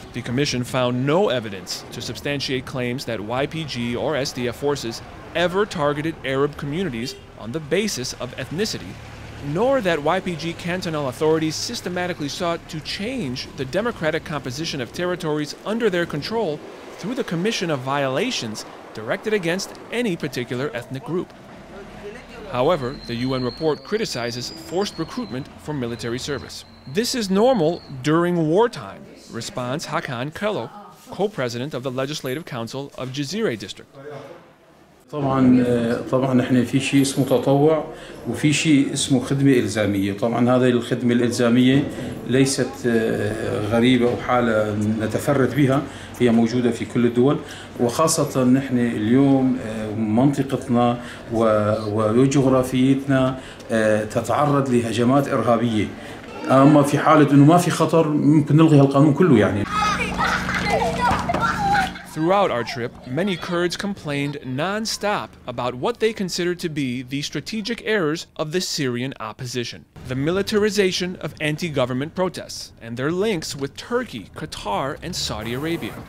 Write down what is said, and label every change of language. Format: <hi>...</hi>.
<en>The commission found no evidence to substantiate claims that YPG or SDF forces ever targeted Arab communities on the basis of ethnicity, nor that YPG cantonal authorities systematically sought to change the democratic composition of territories under their control through the commission of violations directed against any particular ethnic group. However, the UN report criticizes forced recruitment for military service. This is normal during wartime, responds Hakan Kello, co-president of the Legislative Council of Jizire District.</en> <ar>طبعا طبعا احنا في شيء اسمه تطوع وفي شيء اسمه خدمه الزاميه طبعا هذه الخدمه الالزاميه ليست غريبه او حاله نتفرد بها هي موجوده في كل الدول وخاصه احنا اليوم منطقتنا وجغرافيتنا تتعرض لهجمات ارهابيه اما في حاله انه ما في خطر ممكن نلغي هالقانون كله يعني</ar> <en>Throughout our trip, many Kurds complained non-stop about what they considered to be the strategic errors of the Syrian opposition. The militarization of anti-government protests and their links with Turkey, Qatar, and Saudi Arabia.</en>